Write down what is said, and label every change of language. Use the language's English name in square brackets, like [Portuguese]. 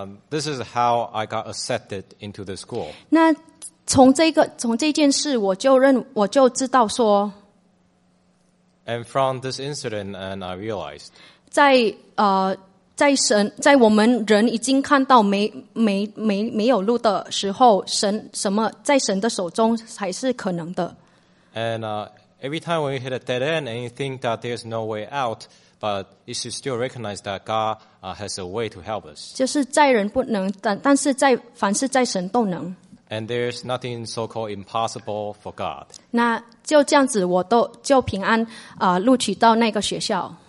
[English] This is how I got accepted into the school. [Chinese] 那从这件事，我就知道说。 [English] And from this incident, and I realized. [Chinese] 在我们人已经看到没有路的时候，神什么在神的手中才是可能的。 [English] And every time when you hit a dead end and you think that there's no way out, but you should still recognize that God has a way to help us. [Chinese] 就是在人不能，但是在凡事在神都能。 [English] And there's nothing so called impossible for God. [Chinese] 那就这样子，我都就平安录取到那个学校。